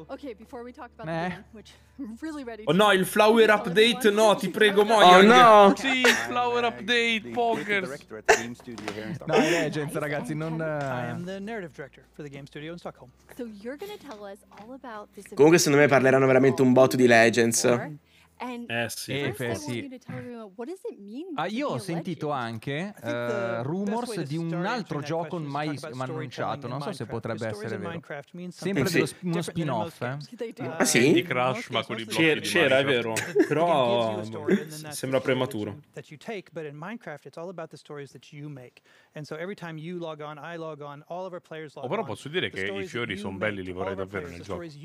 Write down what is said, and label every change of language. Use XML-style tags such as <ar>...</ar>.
<en>Okay, before we talk about the game, which really ready.</en> <it>Oh no, il flower update, no, ti prego, Moya. Oh no. Sì, flower update Pokers. No, è Legends, ragazzi, non</it> <en>I am the narrative director for the game studio in Stockholm. So you're going to tell us all about this.</en> <it>Comunque secondo me parleranno veramente un botto di Legends. Sì. Io ho sentito anche rumors di un altro gioco mai annunciato. Non so se potrebbe essere vero. Sempre uno spin-off. Ah sì? Di Crash, ma con i blocchi. C'era, è vero. Però sembra prematuro.</it> <en>In Minecraft, it's all about the stories that you make. And so every time you log on, I log on, all of our players log on.</en> <it>Oh, però posso dire che i fiori sono belli, li vorrei davvero nel gioco.</it>